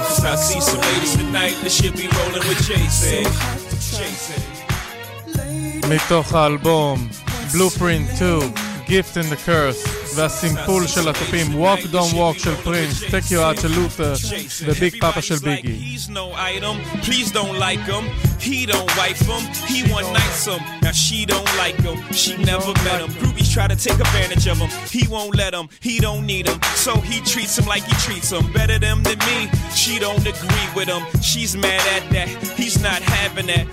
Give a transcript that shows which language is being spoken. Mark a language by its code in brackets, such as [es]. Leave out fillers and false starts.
[en] I see some ladies tonight that should be rolling with Jason. [he] מתוך האלבום Blueprint 2, Gift and the Curse, והסימפול של התופים Walk Don't Walk של פרינס, Take You Out של לותר, וביג פאפה של ביגי. [en] He's no item, please don't like him. He don't wife him, he want nights him. Now she don't like him, she never met him. Groupies try to take advantage of him. He won't let him, he don't need him. So he treats him like he treats him. Better them than me, she don't agree with him. She's mad at that, he's not having that.